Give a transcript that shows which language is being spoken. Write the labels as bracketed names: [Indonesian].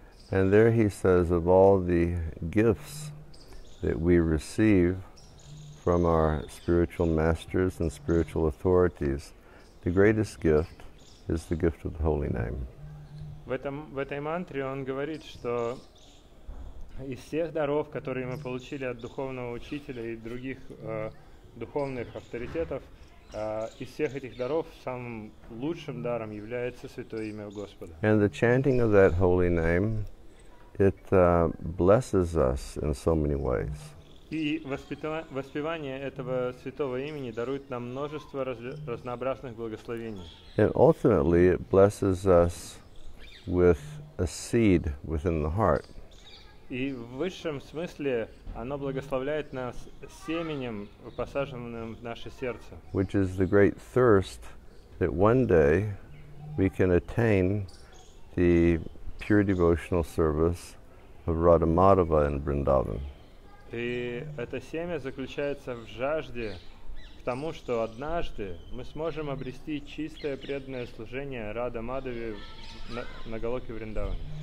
[English] And there he says, of all the gifts that we receive from our spiritual masters and spiritual authorities, the greatest gift is the gift of the holy name. [Russian] В этой мантре он говорит, что из всех даров, которые мы получили от духовного учителя и других духовных авторитетов, из всех этих даров самым лучшим даром является святое имя Господа. [English] And the chanting of that holy name, it blesses us in so many ways. [Russian] И воспевание этого святого имени дарует нам множество разнообразных благословений. [English] And ultimately it blesses us with a seed within the heart. [Russian] И в высшем смысле оно благословляет нас семенем, посаженным в наше сердце. [English] Which is the great thirst that one day we can attain the pure devotional service of Radha Madhava in Vrindavan. [Russian] И это семя заключается в жажде к тому, что однажды мы сможем обрести чистое преданное служение Радха Мадхаве на Галоке Вриндаване.